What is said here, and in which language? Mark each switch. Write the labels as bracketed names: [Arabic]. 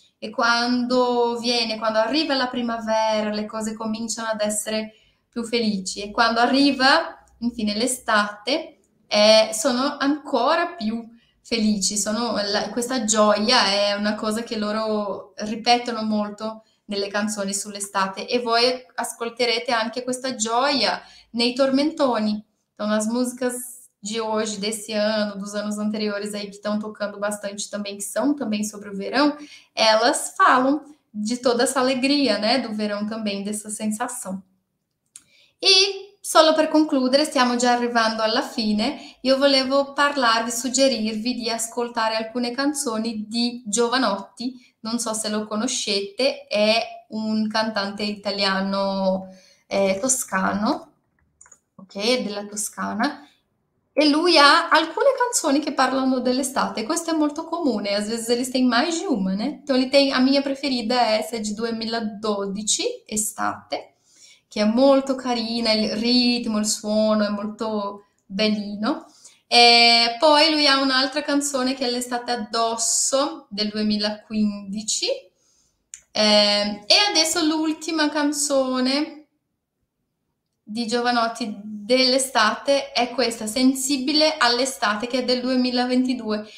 [Italian] E quando arriva la primavera, le cose cominciano ad essere più felici. E quando arriva, infine, l'estate, sono ancora più felici. Questa gioia è una cosa che loro ripetono molto nelle canzoni sull'estate. E voi ascolterete anche questa gioia nei tormentoni. [Portuguese] Então, nas músicas de hoje, desse ano, dos anos anteriores aí que estão tocando bastante também, que são também sobre o verão, elas falam de toda essa alegria, né, do verão também, dessa sensação. [Italian] E, solo per concludere, stiamo già arrivando alla fine, io volevo parlarvi, suggerirvi di ascoltare alcune canzoni di Jovanotti, non so se lo conoscete, è un cantante italiano toscano, ok, della Toscana. E lui ha alcune canzoni che parlano dell'estate. Questo è molto comune, [Portuguese] às vezes eles têm mais de uma, né? Então, a minha preferida é essa de 2012, Estate, que é muito carina, o ritmo, [Italian] o suono [Portuguese] é muito bellino. [Italian] E poi lui ha un'altra canzone che è L'estate addosso del 2015. E adesso l'ultima canzone di Jovanotti dell'estate è questa, Sensibile all'estate, che è del 2022.